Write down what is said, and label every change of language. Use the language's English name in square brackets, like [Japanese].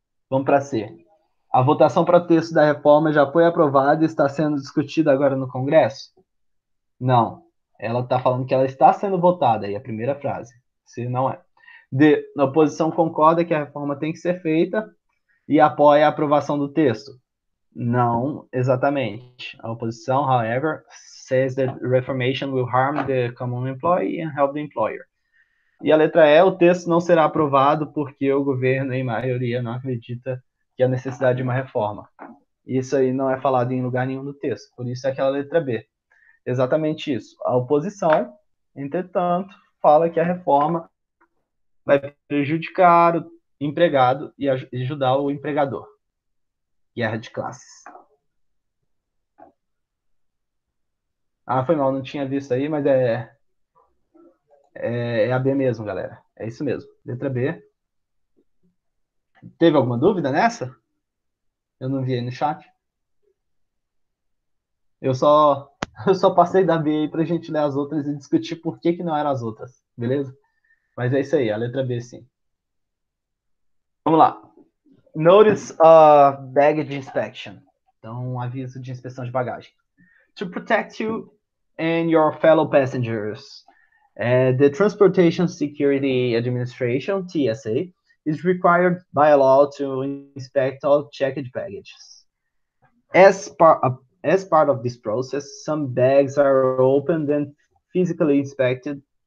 [Portuguese] Vamos para C. A votação para o texto da reforma já foi aprovada e está sendo discutida agora no Congresso? Não. Ela está falando que ela está sendo votada, aí a primeira frase. Se não é. D. A oposição concorda que a reforma tem que ser feita e apoia a aprovação do texto? Não, exatamente. A oposição, [English] however, says that reformation will harm the common employee and help the employer. [Portuguese] E a letra E. O texto não será aprovado porque o governo, em maioria, não acredita que a necessidade de uma reforma. Isso aí não é falado em lugar nenhum do texto. Por isso é aquela letra B. Exatamente isso. A oposição, entretanto, fala que a reforma vai prejudicar o empregado e ajudar o empregador. Guerra de classes. Ah, foi mal, não tinha visto aí, mas é a B mesmo, galera. É isso mesmo. Letra B. Teve alguma dúvida nessa? Eu não vi aí no chat. Eu só passei da B aí pra gente ler as outras e discutir por que que não eram as outras, beleza? Mas é isso aí, a letra B sim. Vamos lá. [English] Notice a baggage inspection. [Portuguese] Então, um aviso de inspeção de bagagem. [English] To protect you and your fellow passengers, the Transportation Security Administration, TSA, is required by law to inspect all checked baggage. As part of this process, some bags are opened and physically inspected.